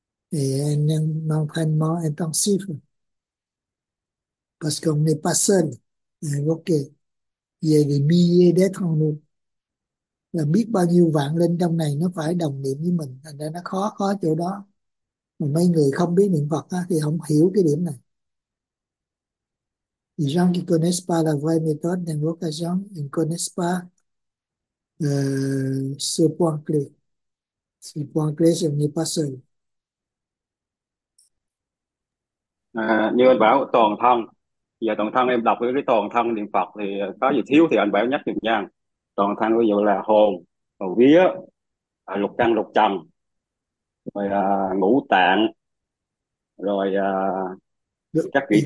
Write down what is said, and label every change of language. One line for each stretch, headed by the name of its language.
Vietnamese: Thì anh nên mong thanh mong intensive.
French: Parce qu'on n'est pas seul. Ok. Il y a des milliers d'êtres en nous.
Vietnamese: Là biết bao nhiêu vạn linh trong này nó phải đồng niệm với mình, thành ra nó khó khó chỗ đó. Mà mấy người không biết niệm Phật á, thì không hiểu cái điểm này.
French: Les gens qui connaissent pas la vraie méthode d'invocation, ils ne connaissent pas ce point clé. Ce point clé, ce n'est pas seul.
Vietnamese: À, như anh bảo toàn thân giờ toàn thân em đọc cái toàn thân niệm Phật thì có gì thiếu thì anh bảo nhắc nhiều nha. Toàn thân ví dụ là hồn hồn vía lục căn lục trần rồi ngũ tạng rồi các vị